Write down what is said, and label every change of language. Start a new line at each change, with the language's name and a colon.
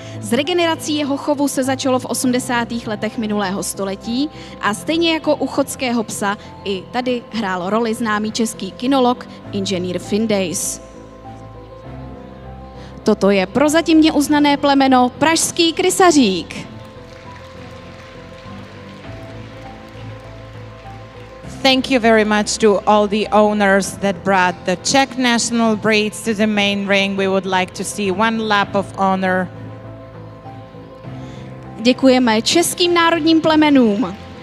Czech: S regenerací jeho chovu se začalo v 80. letech minulého století a stejně jako u chodského psa i tady hrál roli známý český kynolog inženýr Findejs. Toto je prozatímně uznané plemeno pražský krysařík.
English: Thank you very much to all the owners that brought the Czech national breeds to the main ring. We would like to see one lap of honor.
Czech: Děkujeme českým národním plemenům.